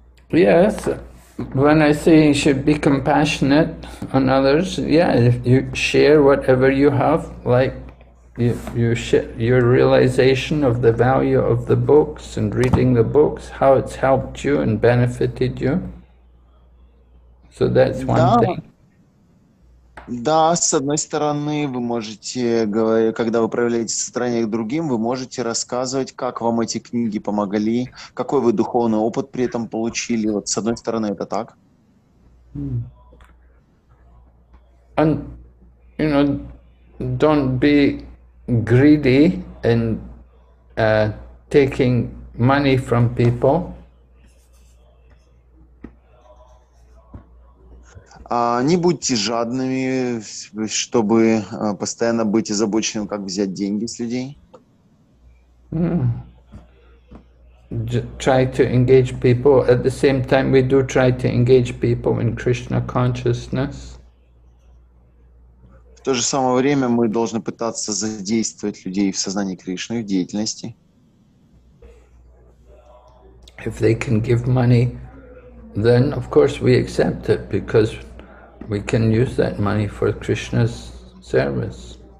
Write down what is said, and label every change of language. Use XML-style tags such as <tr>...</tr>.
<en>Yes, when I say you should be compassionate on others, yeah, if you share whatever you have, like your realization of the value of the books and reading the books, how it's helped you and benefited you. So that's one thing.</en> <ru>Да, с одной стороны, вы можете, когда вы проявляете сострадание к другим, вы можете рассказывать, как вам эти книги помогли, какой вы духовный опыт при этом получили. Вот с одной стороны, это так.</ru> <en>And, you know, don't be greedy in taking money from people.</en> <ru>Не будьте жадными, чтобы постоянно быть озабоченным, как взять деньги с людей.</ru> <en>Try to engage people. At the same time, we do try to engage people in Krishna consciousness.</en> <ru>В то же самое время мы должны пытаться задействовать людей в сознании Кришны, в деятельности.</ru> <en>If they can give money, then of course we accept it, because we can use that money for Krishna's service.</en>